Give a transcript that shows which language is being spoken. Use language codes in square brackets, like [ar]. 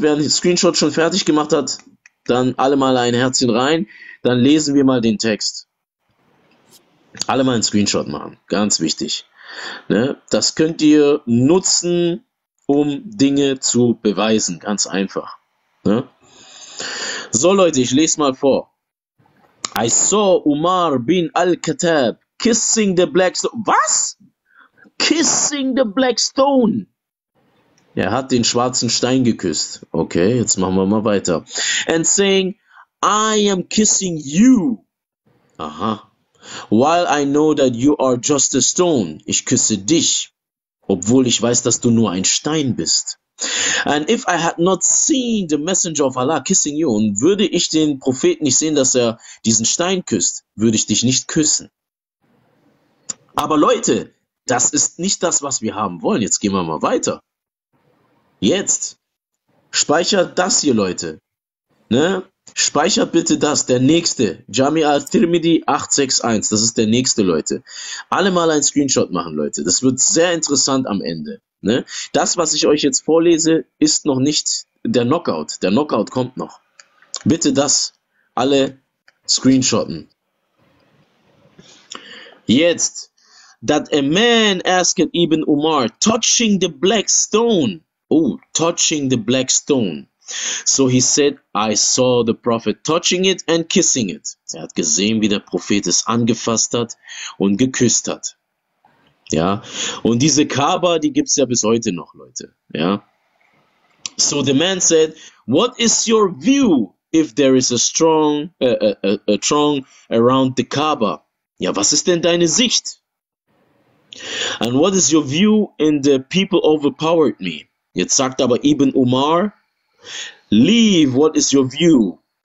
[de] Wer einen Screenshot schon fertig gemacht hat, dann alle mal ein Herzchen rein. Dann lesen wir mal den Text. Alle mal einen Screenshot machen. Ganz wichtig. Ne? Das könnt ihr nutzen, um Dinge zu beweisen. Ganz einfach. Ne? So, Leute, ich lese mal vor. [en] I saw Umar bin Al-Khattab kissing the black stone. [de] Was? [en] Kissing the black stone. [de] Er hat den schwarzen Stein geküsst. Okay, jetzt machen wir mal weiter. [en] And saying, I am kissing you. Aha. While I know that you are just a stone. [de] Ich küsse dich. Obwohl ich weiß, dass du nur ein Stein bist. [en] And if I had not seen the messenger of Allah kissing you, [de] und würde ich den Propheten nicht sehen, dass er diesen Stein küsst, würde ich dich nicht küssen. Aber Leute, das ist nicht das, was wir haben wollen. Jetzt gehen wir mal weiter. Jetzt speichert das hier, Leute. Ne? Speichert bitte das, der nächste, Jami al-Tirmidhi 861, das ist der nächste, Leute. Alle mal ein Screenshot machen, Leute, das wird sehr interessant am Ende. Ne? Das, was ich euch jetzt vorlese, ist noch nicht der Knockout kommt noch. Bitte das, alle screenshotten. Jetzt, [en] that a man asked Ibn Umar, touching the black stone. Oh, touching the black stone. So he said, I saw the prophet touching it and kissing it. [de] Er hat gesehen, wie der Prophet es angefasst hat und geküsst hat. Ja, und diese Kaaba, die gibt's ja bis heute noch, Leute. Ja. [en] So the man said, what is your view if there is a throng around the Kaaba? [de] Ja, was ist denn deine Sicht? [en] And what is your view in the people overpowered me? [de] Jetzt sagt aber [en] Ibn Umar, leave, what is your view?